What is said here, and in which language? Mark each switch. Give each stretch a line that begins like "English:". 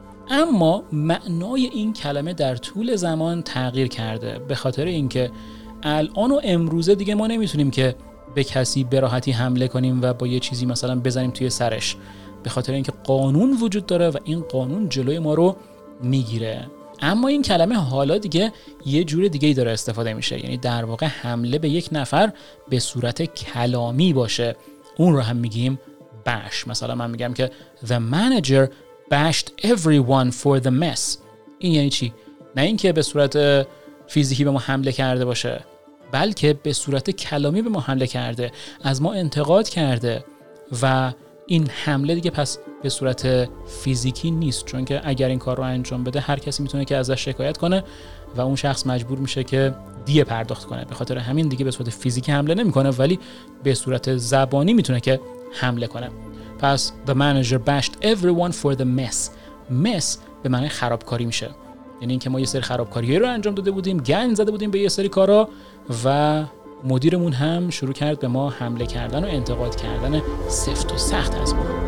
Persian: اما معنای این کلمه در طول زمان تغییر کرده، به خاطر اینکه الان و امروزه دیگه ما نمیتونیم که به کسی براحتی حمله کنیم و با یه چیزی مثلا بزنیم توی سرش، به خاطر اینکه قانون وجود داره و این قانون جلوی ما رو میگیره. اما این کلمه حالا دیگه یه جور دیگه ای داره استفاده میشه، یعنی در واقع حمله به یک نفر به صورت کلامی باشه، اون رو هم میگیم bash. مثلا من میگم که
English: the manager bashed everyone for the mess.
Persian: این یعنی چی؟ نه اینکه به صورت فیزیکی به ما حمله کرده باشه، بلکه به صورت کلامی به ما حمله کرده، از ما انتقاد کرده و این حمله دیگه پس به صورت فیزیکی نیست، چون که اگر این کار رو انجام بده هر کسی میتونه که ازش شکایت کنه و اون شخص مجبور میشه که دیه پرداخت کنه. به خاطر همین دیگه به صورت فیزیکی حمله نمیکنه، ولی به صورت زبانی میتونه که حمله کنه. پس
English: the manager bashed everyone for the mess.
Persian: mess به معنی خرابکاری میشه، یعنی اینکه ما یه سری خرابکاری رو انجام داده بودیم، گند زده بودیم به یه سری کارا و مدیرمون هم شروع کرد به ما حمله کردن و انتقاد کردن سفت و سخت از ما.